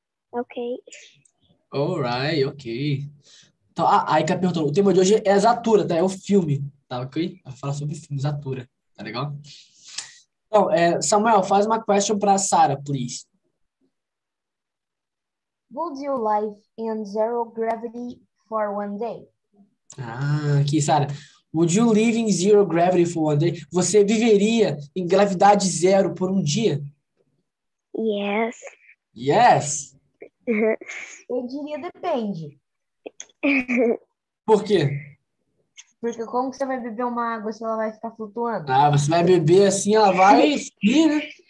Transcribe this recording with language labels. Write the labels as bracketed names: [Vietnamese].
[English] Okay. Alright, ok. [Portuguese] Então, a Aika perguntou: o tema de hoje é Zatura, tá? É o filme, tá ok? Vai falar sobre filme Zatura, tá legal? Então, Samuel, faz uma question pra Sarah, please. [English] Would you live in zero gravity for one day? [Portuguese] Ah, aqui, Sarah. [English] Would you live in zero gravity for one day? [Portuguese] Você viveria em gravidade zero por um dia? [English] Yes. Yes. [Portuguese] Eu diria depende. Por quê? Porque como que você vai beber uma água se ela vai ficar flutuando? Ah, você vai beber assim, ela vai subir, né?